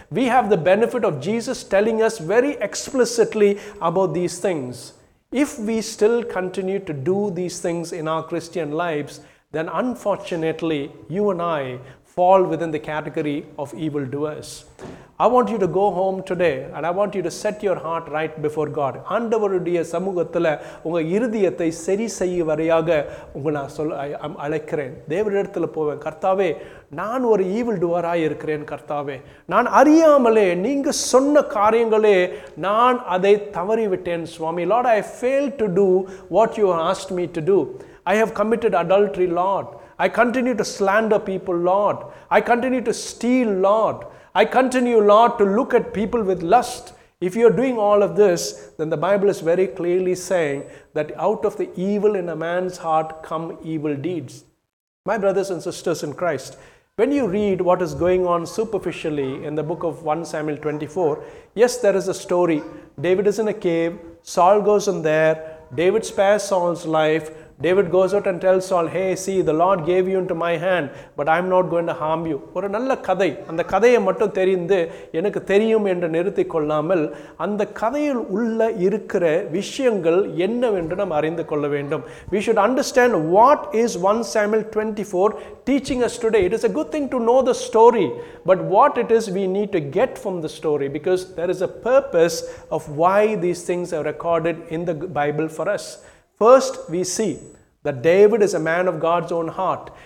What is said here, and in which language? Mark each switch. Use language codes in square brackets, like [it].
[en] We have the benefit of Jesus telling us very explicitly about these things. If we still continue to do these things in our Christian lives, then unfortunately, you and I fall within the category of evildoers. I want you to go home today and I want you to set your heart right before God. [ta] ஆண்டவருடைய சமூகத்தில் உங்கள் இருதயத்தை சரி செய்ய வரையாக உங்கள் நான் சொல் அழைக்கிறேன். தேவரிடத்தில் போவேன். கர்த்தாவே, நான் ஒரு ஈவில் டுவராக இருக்கிறேன். கர்த்தாவே, நான் அறியாமலே நீங்கள் சொன்ன காரியங்களே நான் அதை தவறிவிட்டேன். [en] சுவாமி, Lord, I fail to do what you asked me to do. I have committed adultery Lord. I continue to slander people, Lord. I continue to steal, Lord. I continue, Lord, to look at people with lust. If you're doing all of this, then the Bible is very clearly saying that out of the evil in a man's heart come evil deeds. My brothers and sisters in Christ, when you read what is going on superficially in the book of 1 Samuel 24, yes, there is a story. David is in a cave. Saul goes in there. David spares Saul's life. David goes out and tells Saul, hey, see, the Lord gave you into my hand, but I'm not going to harm you. [ta] ஒரு நல்ல கதை. அந்த கதையை மட்டும் தெரிந்து எனக்கு தெரியும் என்று நிறுத்தி கொள்ளாமல் அந்த கதையில் உள்ள இருக்கிற விஷயங்கள் என்னவென்று நாம் அறிந்து கொள்ள வேண்டும். [en] We should understand what is 1 Samuel 24 teaching us today. It is a good thing to know the story, but what it is we need to get from the story, because there is a purpose of why these things are recorded in the Bible for us. First, we see that David is a man of God's own heart.